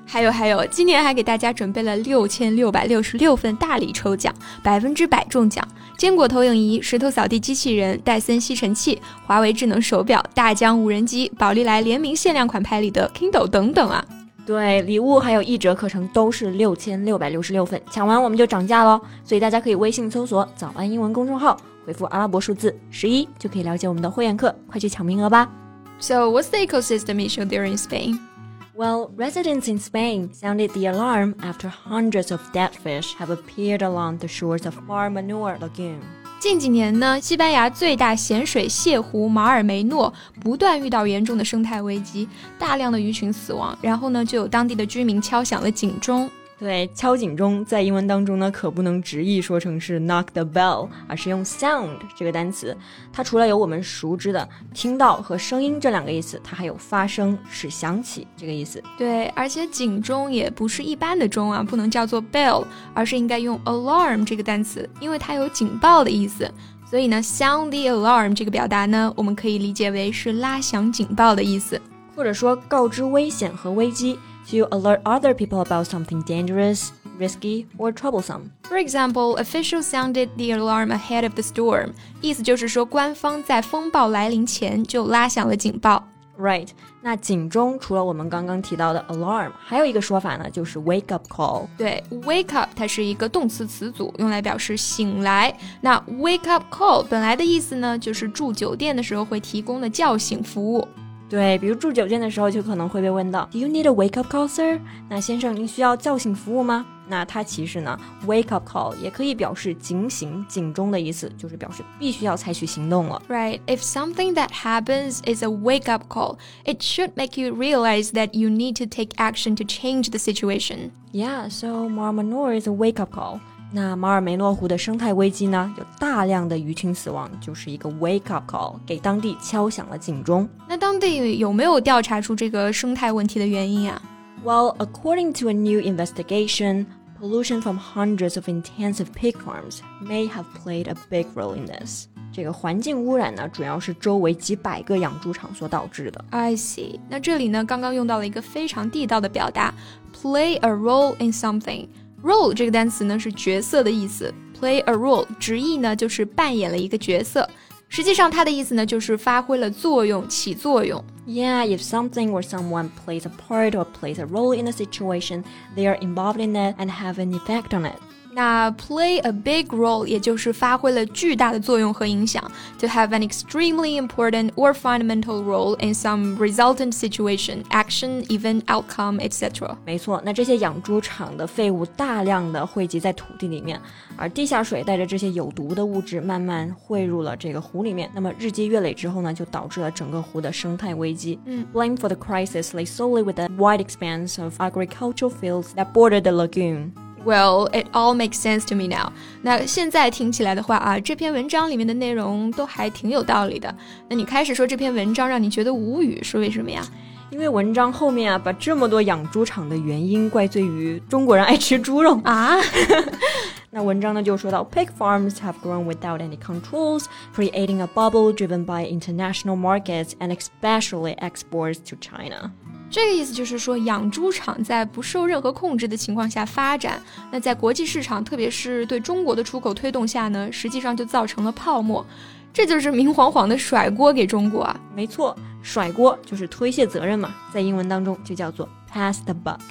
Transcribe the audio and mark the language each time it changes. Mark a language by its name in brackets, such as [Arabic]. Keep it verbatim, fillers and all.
[Chinese] 还有还有，今年还给大家准备了六千六百六十六份大礼抽奖，百分之百中奖，坚果投影仪、石头扫地机器人、戴森吸尘器、华为智能手表、大疆无人机、宝丽来联名限量款拍里的 Kindle 等等啊。对，礼物还有一折课程都是六千六百六十六份，抢完我们就涨价咯，所以大家可以微信搜索早安英文公众号，回复阿拉伯数字十一就可以了解我们的会员课，快去抢名额吧。 [English] So, what's the ecosystem issue there in Spain? Well, residents in Spain sounded the alarm after hundreds of dead fish have appeared along the shores of Mar Menor Lagoon. [Chinese] 近几年呢，西班牙最大咸水泻湖马尔梅诺不断遇到严重的生态危机，大量的鱼群死亡，然后呢，就有当地的居民敲响了警钟。对，敲警钟在英文当中呢，可不能直译说成是 knock the bell， 而是用 sound 这个单词。它除了有我们熟知的听到和声音这两个意思，它还有发生、使响起这个意思。对，而且警钟也不是一般的钟啊，不能叫做 bell， 而是应该用 alarm 这个单词，因为它有警报的意思。所以呢 sound the alarm 这个表达呢，我们可以理解为是拉响警报的意思，或者说告知危险和危机。 [English] To alert other people about something dangerous, risky, or troublesome. For example, officials sounded the alarm ahead of the storm. [Chinese] 意思就是说，官方在风暴来临前就拉响了警报。 [English] Right. [Chinese] 那警钟除了我们刚刚提到的 alarm, 还有一个说法呢，就是 wake up call. 对 ,wake up 它是一个动词词组，用来表示醒来。那 wake up call 本来的意思呢，就是住酒店的时候会提供的叫醒服务。对，比如住酒店的时候就可能会被问到 [English] Do you need a wake up call, sir? [Chinese] 那先生，您需要叫醒服务吗？那它其实呢 wake up call 也可以表示警醒、警钟的意思，就是表示必须要采取行动了。 [English] Right, if something that happens is a wake up call, it should make you realize that you need to take action to change the situation. Yeah, so Mar Menor is a wake up call. [Chinese] 那马尔梅诺湖的生态危机呢，有大量的鱼群死亡，就是一个 wake up call， 给当地敲响了警钟。那当地有没有调查出这个生态问题的原因啊？ [English] Well, according to a new investigation, pollution from hundreds of intensive pig farms may have played a big role in this. [Chinese] 这个环境污染呢，主要是周围几百个养猪场所导致的。 [English] I see. [Chinese] 那这里呢，刚刚用到了一个非常地道的表达 play a role in something. Role 这个单词呢是角色的意思 play a role 直译呢就是扮演了一个角色，实际上它的意思呢就是发挥了作用，起作用。 [English] Yeah, if something or someone plays a part or plays a role in a situation, they are involved in it and have an effect on it. 那 play a big role [Chinese] 也就是发挥了巨大的作用和影响 [English] to have an extremely important or fundamental role in some resultant situation, action, event, outcome, et cetera. [Chinese] 没错，那这些养猪场的废物大量的汇集在土地里面，而地下水带着这些有毒的物质慢慢汇入了这个湖里面，那么日积月累之后呢，就导致了整个湖的生态危机。嗯、 [English] Blame for the crisis lay solely with the wide expanse of agricultural fields that bordered the lagoon. Well, it all makes sense to me now. [Chinese] 那现在听起来的话啊，这篇文章里面的内容都还挺有道理的。那你开始说这篇文章让你觉得无语，是为什么呀？因为文章后面啊，把这么多养猪场的原因怪罪于中国人爱吃猪肉啊。那文章呢就说到 [English] Pig farms have grown without any controls, creating a bubble driven by international markets and especially exports to China. [Chinese] 这个意思就是说，养猪场在不受任何控制的情况下发展，那在国际市场，特别是对中国的出口推动下呢，实际上就造成了泡沫。这就是明晃晃的甩锅给中国啊。没错，甩锅就是推卸责任嘛，在英文当中就叫做pass the buck.